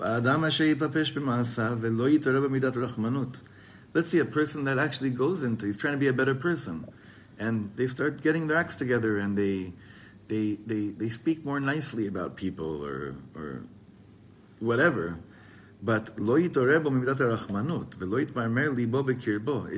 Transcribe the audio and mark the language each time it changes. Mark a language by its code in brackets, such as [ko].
[he] האדם אשר יפשפ במעשה ולא יתערב במידת רחמנות. [en] Let's see, a person that actually goes into, he's trying to be a better person, and they start getting their acts together, and they speak more nicely about people or whatever. [he] But לא יתערב במידת רחמנות ולא יתמרמר ליבו בקרבו.